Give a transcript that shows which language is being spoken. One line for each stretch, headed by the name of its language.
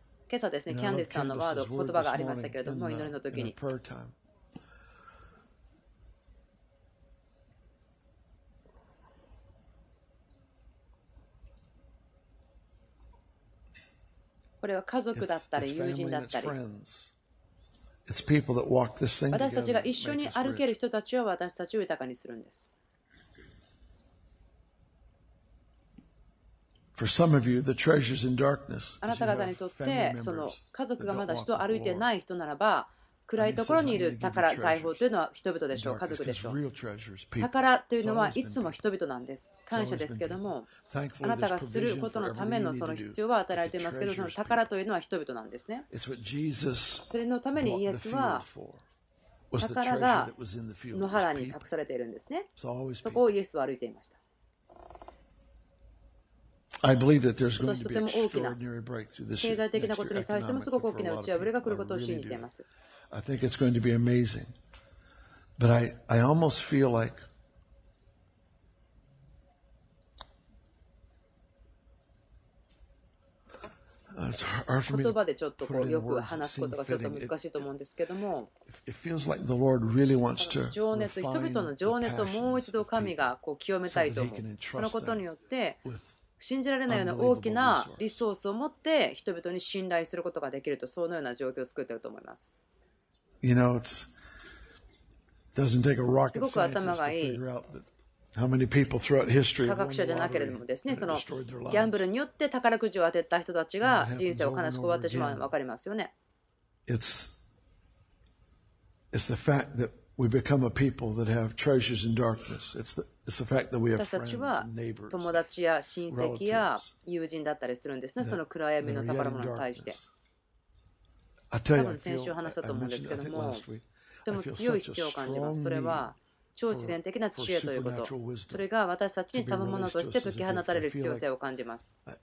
Japanese: 今朝ですね、キャンディスさんのワード、言葉がありましたけれども、祈りの時に、これは家族だったり友人だったり、私たちが一緒に歩ける人たちを私たちを豊かにするんです。
English: For some of you, the treasures in darkness,
Japanese: あなた方にとってその家族がまだ人を歩いてない人ならば暗いところにいる宝財宝というのは人々でしょう、家族でしょう。宝というのはいつも人々なんです。感謝ですけども、あなたがすることのためのその必要は与えられていますけど、その宝というのは人々なんですね。それのためにイエスは宝が野原に隠されているんですね。そこをイエスは歩いていました。
English: I believe that there's going to be an extraordinary breakthrough this year.
Japanese: 経済的なことに対してもすごく大きな打ち破りが来ることを信じています。
English: I think it's going to be amazing. But I almost feel like it's hard for me to put it in words to seem fitting. It feels like the Lord really wants to refine the passion so that he can entrust them with faith.
Japanese: 信じられないような大きなリソースを持って人々に信頼することができると、そのような状況を作っていると思います。すごく頭がいい科学者じゃなければですね、そのギャンブルによって宝くじを当てた人たちが人生を悲しく終わってしまうのが分かりますよね。
English: It's the fact that we become a people that have treasures in darkness. It's the fact that we have friends and neighbors.
Japanese: 友達や親戚や友人だったりするんですね。その暗闇の宝物に対して。多分先週話したと思うんですけども、とても強い必要を感じます。それは超自然的な知恵ということ。それが私たちに賜物として解き放たれる必要性を感じます。